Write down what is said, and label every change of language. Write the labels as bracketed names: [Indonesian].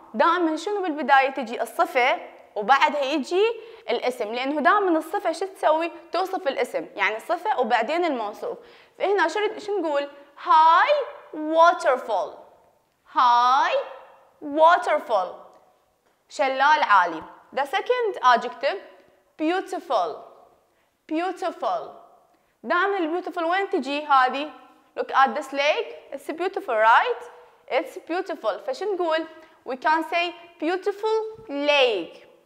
[Arabic] دائما شنو بالبداية تجي الصفة وبعدها يجي الاسم، لأنه دائما الصفة شو تسوي؟ توصف الاسم، يعني صفة وبعدين الموصوف. فهنا شو نقول؟ [English] High waterfall. High waterfall. [Arabic] شلال عالي. [English] The second adjective beautiful. Beautiful. [Arabic] دائما البيوتيفول وين تجي هذه؟ [English] Look at this lake. It's beautiful, right? It's beautiful. فشن نقول؟ We can say beautiful lake.